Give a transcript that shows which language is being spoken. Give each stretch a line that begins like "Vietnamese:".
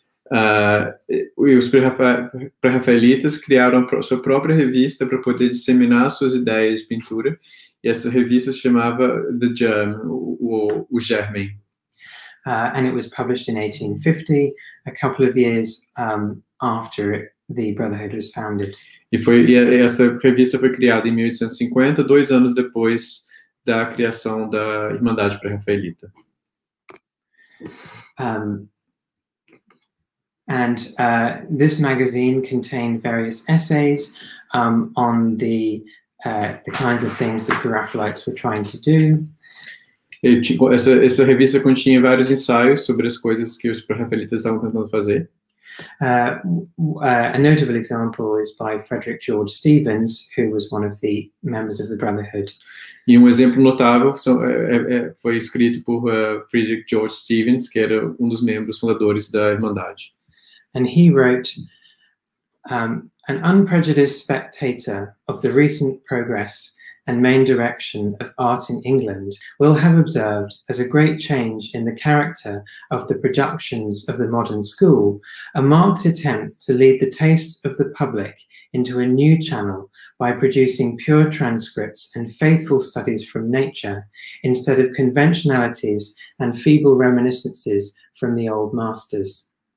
Portuguese: Os Pre-Raphaelitas criaram sua própria revista para poder disseminar suas ideias de pintura, e essa revista se chamava The Germ, o germe.
English: And it was published in 1850, a couple of years after the Brotherhood was founded.
Portuguese: Essa revista foi criada em 1850, dois anos depois da criação da Irmandade Pré-Rafaelita.
English: This magazine contained various essays on the kinds of things that the Raphaelites were trying to do.
Portuguese: Essa revista continha vários ensaios sobre as coisas que os pré-rafaelitas estavam tentando fazer.
English: A notable example is by Frederick George Stevens, who was one of the members of the Brotherhood.
Portuguese: E um exemplo notável foi escrito por Frederick George Stevens, que era um dos membros fundadores da Irmandade.
English: And he wrote, "An unprejudiced spectator of the recent progress and main direction of art in England will have observed as a great change in the character of the productions of the modern school, a marked attempt to lead the taste of the public into a new channel by producing pure transcripts and faithful studies from nature instead of conventionalities and feeble reminiscences from the old masters."